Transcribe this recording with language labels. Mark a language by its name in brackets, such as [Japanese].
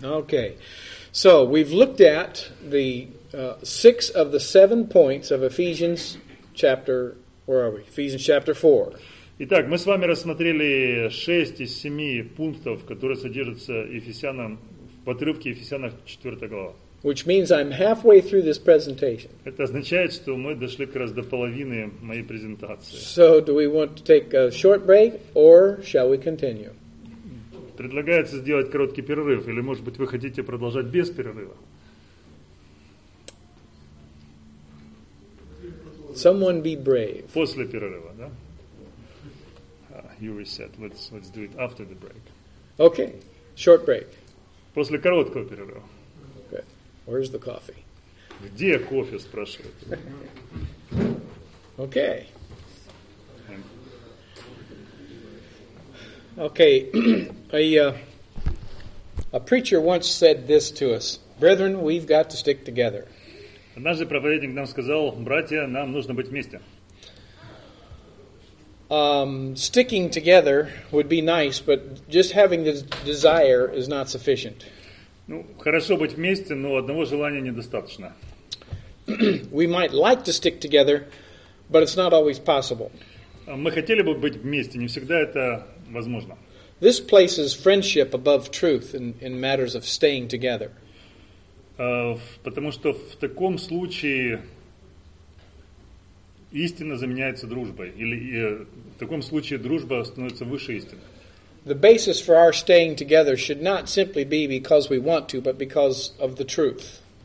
[English] Okay. So, we've looked at the six of the seven points of Ephesians chapter, where are we? Ephesians chapter 4. [Russian] Итак, мы с вами рассмотрели 6 из 7 пунктов, которые содержатся Ефесянам, в отрывке Ефесянам 4 глава. [English] Which means I'm halfway through this presentation. [Russian] Это означает, что мы дошли как раз до половины моей презентации. [English] So, do we want to take a short break or shall we continue? [Russian] Предлагается сделать короткий перерыв или, может быть, вы хотите продолжать без перерыва? [English] Someone be brave. [Russian] После перерыва, да? [English] you reset. Let's do it after the break. Okay, short break. [Russian] После короткого перерыва. [English] Okay. Where's the coffee? [Russian] Где кофе, спрашивают. [English] Okay. Okay. A preacher once said this to us, "Brethren, we've got to stick together." [Russian] Однажды проповедник нам сказал, братья, нам нужно быть вместе. [English] Sticking together would be nice, but just having this desire is not sufficient. [Russian] Ну, хорошо быть вместе, но одного желания недостаточно. [English] We might like to stick together, but it's not always possible. [Russian] Мы хотели бы быть вместе, не всегда это возможно. [English] This places friendship above truth in matters of staying together. [Russian] Потому что в таком случае истина заменяется дружбой, или в таком случае дружба становится выше истины. [English] The basis for our staying together should not simply be because we want to, but because of the truth.